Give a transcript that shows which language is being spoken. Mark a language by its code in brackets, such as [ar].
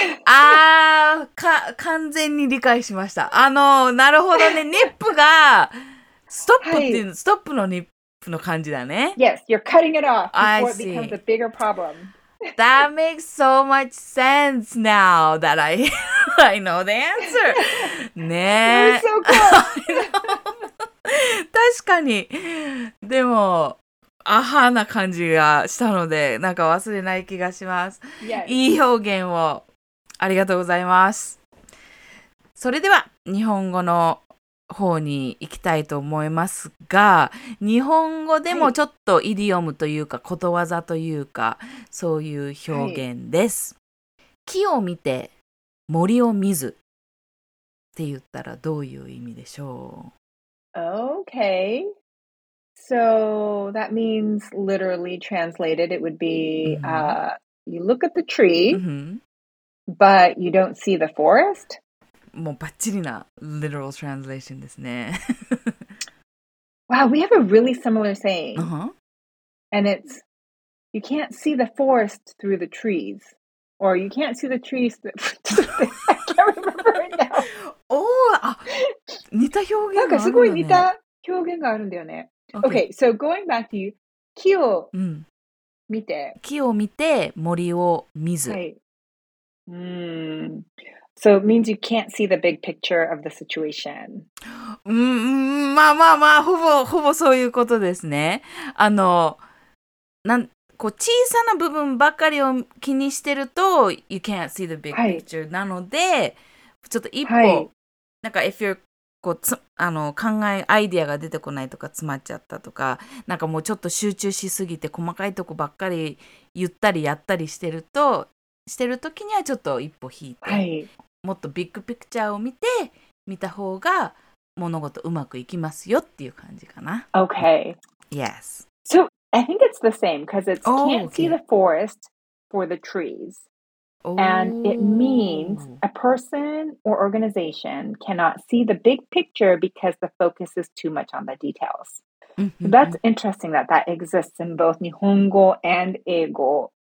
[ja] Ah, 完全に理解しました。あの、なるほどね。nip がストップっていう、ストップのニップの感じだね。 [en] Yes, you're cutting it off before it becomes a bigger problem. That makes so much sense now that I know the answer. [ja] ねえ。 [en] You're so cool. [ja] 確かに。でも、アハな感じがしたので、なんか忘れない気がします。 [en] Yes. [ja] いい表現をありがとうございます。それでは、日本語の方に行きたいと思いますが、日本語でもちょっとイディオムというか、はい、ことわざというかそういう表現です、はい、木を見て森を見ずって言ったらどういう意味でしょう。 [en] Okay, so that means literally translated it would be、mm-hmm. You look at the tree、 mm-hmm. but you don't see the forest. [ja] もうバッチリな [en] literal translation [ja] ですね。 [en] Wow, we have a really similar saying.、 Uh-huh. And it's, you can't see the forest through the trees. Or you can't see the trees through the... I can't remember it now. Oh, [ja] 似た表現があるんだよね。 [en] Okay, so going back to you, [ja] 木を見て、うん、木を見て森を見ず、 [en] はい、So it means you can't see the big picture of the situation. [ja] まあまあまあ、ほぼそういうことですね。あの、こう小さな部分ばかりを気にしてると、 [en] you can't see the big picture、 [ja] はい、なので、ちょっと一歩、はい、なんか [en] if you're [ja] こうつあの考え、アイディアが出てこないとか詰まっちゃったとか、なんかもうちょっと集中しすぎて細かいとこばっかり言ったりやったりしてると、してる時にはちょっと一歩引いて、はい、もっとビッグピクチャーを見て見た方が物事うまくいきますよっていう感じかな。 [en] Okay. Yes. So I think it's the same because it's、oh, can't、okay. see the forest for the trees,、oh. and it means a person or organization cannot see the big picture because the focus is too much on the details. That's interesting that that exists in both 日本語 and 英語。